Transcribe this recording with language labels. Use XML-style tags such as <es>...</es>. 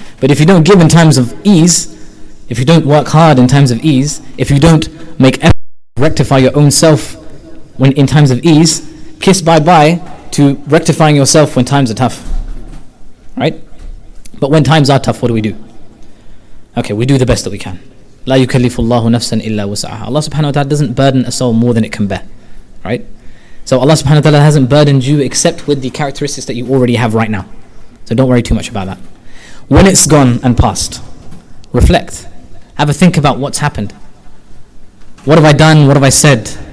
<en>But if you don't give in times of ease, if you don't work hard in times of ease, if you don't make effort, rectify your own self when in times of ease, kiss bye-bye to rectifying yourself when times are tough. Right? But when times are tough, what do? Okay, we do the best that we can.</en> <ar>لا يكلف الله نفسا إلا وسعها.</ar> <en>Allah subhanahu wa ta'ala doesn't burden a soul more than it can bear. Right? So Allah subhanahu wa ta'ala hasn't burdened you except with the characteristics that you already have right now. So don't worry too much about that. When it's gone and passed, reflect. Have a think about what's happened. What have I done? What have I said?</en>